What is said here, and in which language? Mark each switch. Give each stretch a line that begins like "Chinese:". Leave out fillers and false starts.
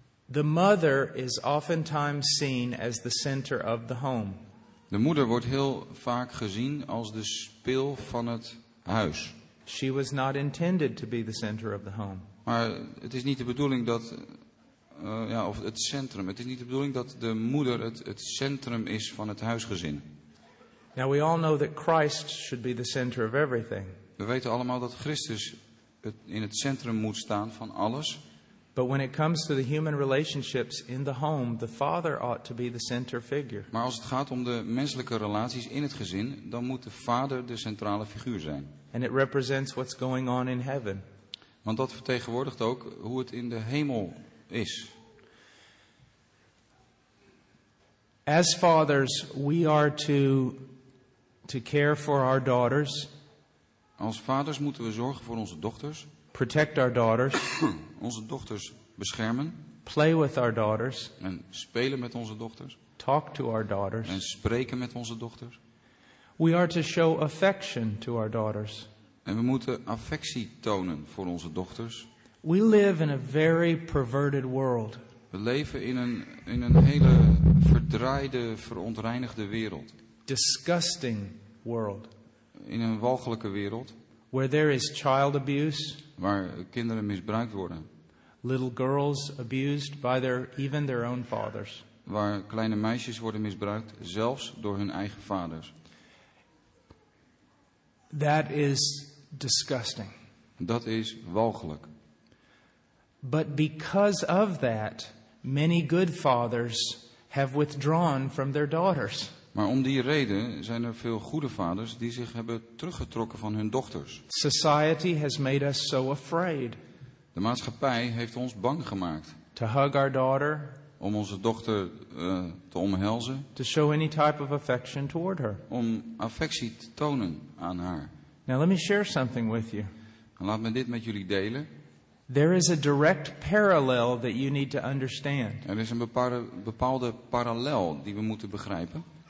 English: The mother is oftentimes seen as the center of the home.
Dutch: De moeder wordt heel vaak gezien als de spil van het huis.
English: She was not intended to be the center of the home.
Dutch: Maar het is niet de bedoeling dat of het centrum. Het is niet de bedoeling dat de moeder het centrum is van het huisgezin.
English: Now we all know that Christ should be the center of everything.
Dutch: We weten allemaal dat Christus in het centrum moet staan van alles.
English: But when it comes to the human relationships in the home, the father ought to be the center figure.
Dutch: Maar als het gaat om de menselijke relaties in het gezin, dan moet de vader de centrale figuur zijn.
English: And it represents what's going on in heaven.
Dutch: Want dat vertegenwoordigt ook hoe het in de hemel is.
English: As fathers, we are to care for our daughters.
Dutch: Als vaders moeten we zorgen voor onze dochters.
English: Protect our daughters.
Dutch: Onze dochters beschermen.
English: Play with our daughters.
Dutch: En spelen met onze dochters.
English: Talk to our daughters.
Dutch: En spreken met onze dochters.
English: We are to show affection to our daughters.
Dutch: En we moeten affectie tonen voor onze dochters.
English: We live in a very perverted world.
Dutch: We leven in een hele verdraaide, verontreinigde wereld.
English: Disgusting world.
Dutch: In een walgelijke wereld.
English: Where there is child abuse.
Dutch: Waar kinderen misbruikt worden.
English: Little girls abused by even their own fathers.
Dutch: Waar kleine meisjes worden misbruikt, zelfs door hun eigen vaders.
English: That is disgusting.
Dutch: Dat is walgelijk.
English: But because of that, many good fathers have withdrawn from their daughters.
Dutch: Maar om die reden zijn er veel goede vaders die zich hebben teruggetrokken van hun dochters.
English: Society has made us so afraid.
Dutch: De maatschappij heeft ons bang gemaakt.
English: To hug our daughter.
Dutch: Om onze dochter te omhelzen.
English: To show any type of affection toward her.
Dutch: Om affectie te tonen aan haar.
English: Now let me share something with you.
Dutch: Laat me dit met jullie delen.
English: There is a direct parallel that you need to understand.
Dutch: Er is een bepaalde parallel die we moeten begrijpen.